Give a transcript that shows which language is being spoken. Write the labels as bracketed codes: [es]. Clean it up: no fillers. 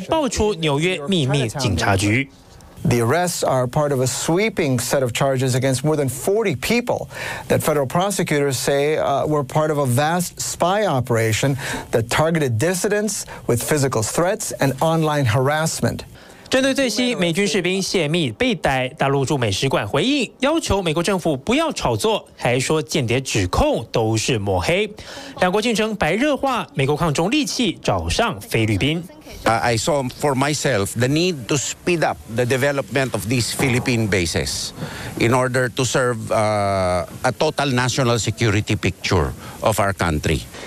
[zh] 光今年大陆疑似间谍行动，就包含2月空飘气球、7月美国国务院高层电邮遭到骇客入侵，而4月的时候还爆出纽约秘密警察局。 [en] The arrests are part of a sweeping set of charges against more than 40 people that federal prosecutors say were part of a vast spy operation that targeted dissidents with physical threats and online harassment. [zh] 针对最新美军士兵泄密被逮，大陆驻美使馆回应，要求美国政府不要炒作，还说间谍指控都是抹黑。两国竞争白热化，美国抗中利器找上菲律宾。 [en] I saw for myself the need to speed up the development of these Philippine bases in order to serve a total national security picture of our country.